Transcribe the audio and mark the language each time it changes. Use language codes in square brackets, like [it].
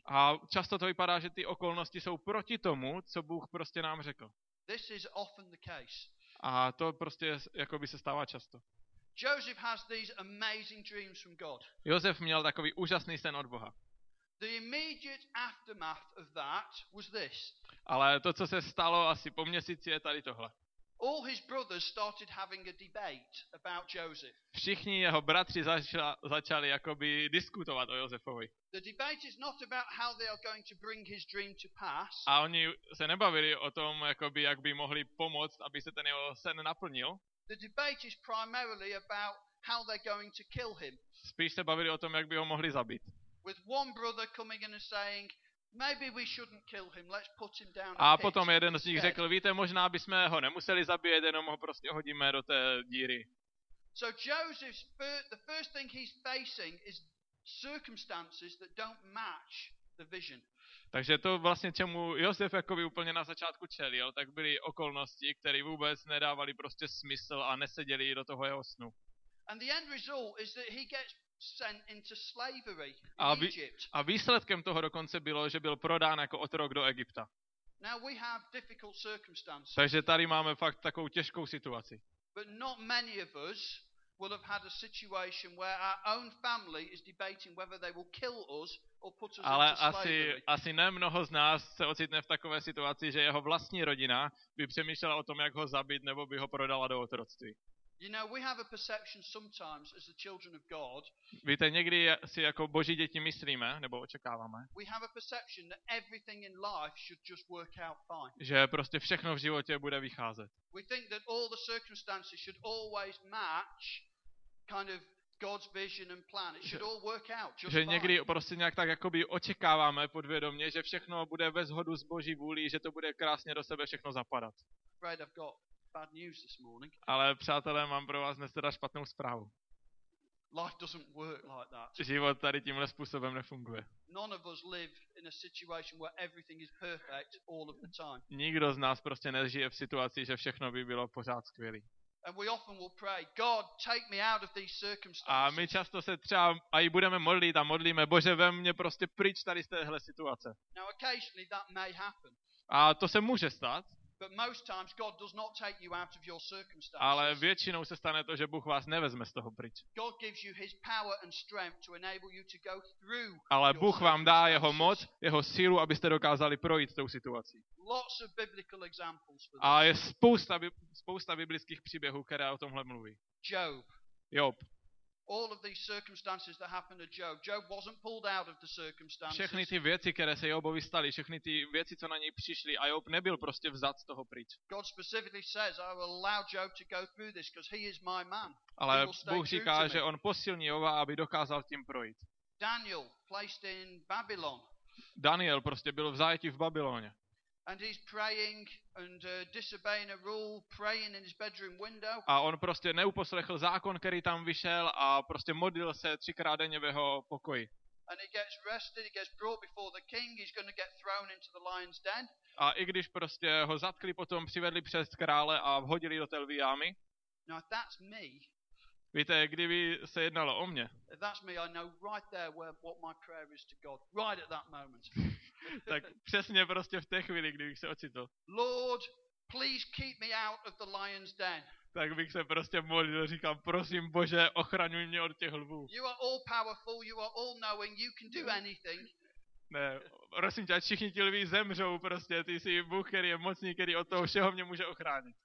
[cs] A často to vypadá, že ty okolnosti jsou proti tomu, co Bůh prostě nám řekl. [en] This is often the case. [cs] A to prostě jakoby se stává často. [en] Joseph has these amazing dreams from God. [cs] Josef měl takový úžasný sen od Boha. [en] The immediate aftermath of that was this. [cs] Ale to, co se stalo asi po měsíci, je tady tohle. [en] All his brothers started having a debate about Joseph. [cs] Všichni jeho bratři začali jakoby diskutovat o Josefovi. [en] The debate is not about how they are going to bring his dream to pass. [cs] A oni se nebavili o tom, jakoby jak by mohli pomoct, aby se ten jeho sen naplnil. [en] The debate is primarily about how they're going to kill him. [cs] Spíš se bavili o tom, jak by ho mohli zabít. [en] With one brother coming in and saying, Maybe we shouldn't kill him. Let's put him down. [cs] A potom jeden z nich řekl: "Víte, možná bysme ho nemuseli zabíjet, jenom ho prostě hodíme do té díry." [en] So Joseph's the first thing he's facing is circumstances that don't match the vision. [cs] Takže to vlastně čemu Josef jakoby úplně na začátku čelil, tak byly okolnosti, které vůbec nedávaly prostě smysl a neseděly do toho jeho snu. [en] And the end result is that he gets sent into slavery in Egypt. [cs] A výsledkem toho dokonce bylo, že byl prodán jako otrok do Egypta. [en] Now we have difficult circumstances. [cs] Takže tady máme fakt takovou těžkou situaci. [en] But not many of us will have had a situation where our own family is debating whether they will kill us or put us into slavery. [cs] Ale asi nemnoho z nás se ocitne v takové situaci, že jeho vlastní rodina by přemýšlela o tom, jak ho zabít nebo by ho prodala do otroctví. [en] You know, we have a perception sometimes as the children of God. [cs] Víte, někdy si jako Boží děti myslíme nebo očekáváme. [en] We have a perception that everything in life should just work out fine. [cs] Že prostě všechno v životě bude vycházet. [en] We think that all the circumstances should always match kind of God's vision and plan. It should all work out just fine. [cs] Že někdy prostě nějak tak jakoby očekáváme podvědomě, že všechno bude ve shodu s Boží vůlí, že to bude krásně do sebe všechno zapadat. [en] Right, I've got bad news this morning. [cs] Ale přátelé, mám pro vás dnes teda špatnou zprávu. [en] Life doesn't work like that. [cs] Život tady tímhle způsobem nefunguje. [en] None of us live in a situation where everything is perfect all of the time. [cs] Nikdo z nás prostě nežije v situaci, že všechno by bylo pořád skvělý. [en] And we often will pray, God, take me out of these circumstances. [cs] A my často se třeba a i budeme modlit a modlíme, Bože, vem mě prostě pryč tady z téhle situace. [en] Now occasionally that may happen. [cs] A to se může stát. [en] But most times God does not take you out of your circumstances. [cs] Ale většinou se stane to, že Bůh vás nevezme z toho pryč. [en] God gives you his power and strength to enable you to go through. [cs] Ale Bůh vám dá jeho moc, jeho sílu, abyste dokázali projít tou situací. [en] Lots of biblical examples for this. [cs] A je spousta biblických příběhů, které o tomhle mluví. [en] Job. All of these circumstances that happened to Job. Job wasn't pulled out of the circumstances. [cs] Všechny ty věci, které se Jobovi staly, všechny ty věci, co na něj přišly, a Job nebyl prostě vzat z toho pryč. [en] God specifically says, I will allow Job to go through this because he is my man. [cs] Ale Bůh říká, že on posilní Joba, aby dokázal tím projít. [en] Daniel placed in Babylon. [cs] Daniel prostě byl v zajetí v Babyloně. [en] And he's praying and disobeying a rule, praying in his bedroom window. [cs] A on prostě neuposlechl zákon, který tam vyšel, a prostě modlil se třikrát denně v jeho pokoji. [en] And he gets arrested, he gets brought before the king, he's going to get thrown into the lion's den. [cs] A i když prostě ho zatkli, potom přivedli před krále a vhodili do té lví jámy. [en] Now if that's me. [cs] Víte, kdyby se jednalo o mě. [en] If that's me, I know right there where what my prayer is to God, right at that moment. [cs] Tak přesně prostě v té chvíli, kdy bych se ocitl. [en] Lord, please keep me out of the lion's den. [cs] Tak bych se prostě modlil, říkám, prosím Bože, ochraňuj mě od těch lvů. [en] You are all powerful, you are all knowing, you can do anything. [cs] Ne, prosím tě, všichni ti lví zemřou prostě, ty jsi Bůh, který je mocný, který od toho všeho mě může ochránit.